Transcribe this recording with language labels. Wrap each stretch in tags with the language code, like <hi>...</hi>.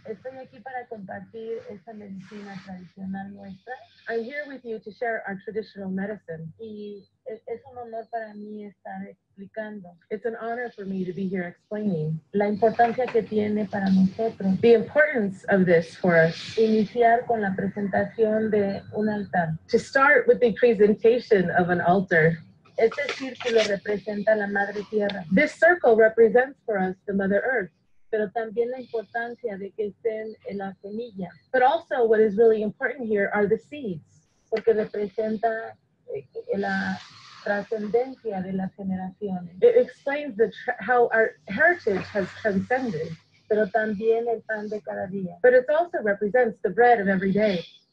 <es>Estoy aquí para compartir esta medicina tradicional nuestra.</es> <en>I'm here with you to share our traditional medicine.</en> <es>Y es un honor para mí estar explicando.</es> <en>It's an honor for me to be here explaining.</en> <es>La importancia que tiene para nosotros.</es> <en>The importance of this for us.</en> <es>Iniciar con la presentación de un altar.</es> <en>To start with the presentation of an altar.</en> <es>Este círculo representa la madre tierra.</es> <en>This circle represents for us the Mother Earth.</en> <es>Pero también la importancia de que estén en la semilla.</es> <en>But also what is really important here are the seeds.</en> <es>Porque representa la trascendencia de las generaciones.</es> <en>It explains how our heritage has transcended.</en> <es>Pero también el pan de cada día.</es> <en>But it also represents the bread of every day.</en>